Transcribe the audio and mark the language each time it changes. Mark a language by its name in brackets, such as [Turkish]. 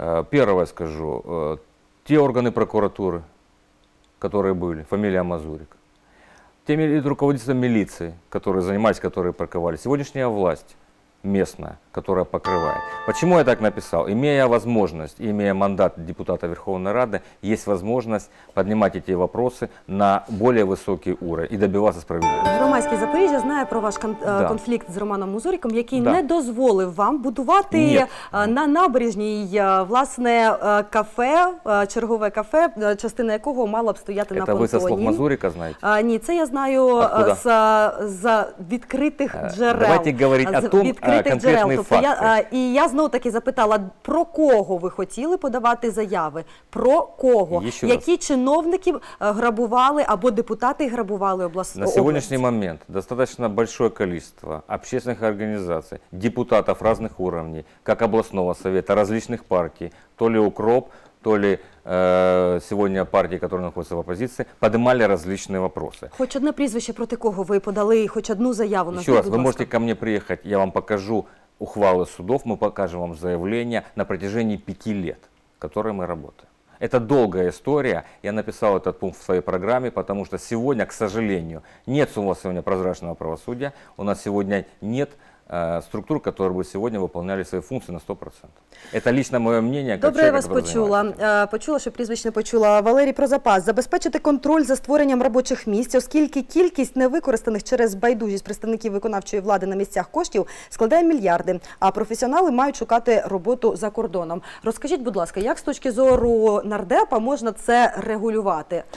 [Russian] Первое скажу. Те органы прокуратуры, которые были, фамилия Мазурик, те руководители милиции, которые занимались, которые парковали, сегодняшняя власть местная, которая покрывает. Почему я так написал? Имея возможность, имея мандат депутата Верховной Рады, есть возможность поднимать эти вопросы на более высокий уровень и добиваться справедливости. [Ukrainian] Громадський Запоріжжя знає про ваш конфлікт з Романом Мазуріком, який не дозволив вам будувати на набережній власне кафе, чергове кафе, частина якого мала б стояти на понтоні. Це ви зі слов Мазуріка знаєте? Ні, це я знаю з відкритих джерел. Давайте говорити [Russian] о том, [Ukrainian] конкретний факт. І я знову таки запитала, про кого ви хотіли подавати заяви? Про кого? Які чиновники грабували або депутати грабували область? На сьогоднішній момент [Russian] достаточно большое количество общественных организаций, депутатов разных уровней, как областного совета, различных партий, то ли УКРОП, то ли сегодня партии, которые находятся в оппозиции, поднимали различные вопросы. [Ukrainian] Хоть одно прізвище, проти кого [Russian] вы [Ukrainian] подали хоть одну заяву? [Russian] Еще раз, вы можете ко мне приехать, я вам покажу ухвалы судов, мы покажем вам заявление на протяжении 5 лет, в которые мы работаем. Это долгая история. Я написал этот пункт в своей программе, потому что сегодня, к сожалению, нет у нас сегодня прозрачного правосудия. У нас сегодня нет структур, которые бы сегодня выполняли свои функции на 100%. Это лично мое мнение. [Ukrainian] Добре, я вас почула. Почула, що прізвище почула. Валерій Прозапас. Забезпечити контроль за створенням робочих місць, оскільки кількість невикористаних через байдужість представників виконавчої влади на місцях коштів складає мільярди, а професіонали мають шукати роботу за кордоном. Розкажіть, будь ласка, як з точки зору нардепа можна це регулювати?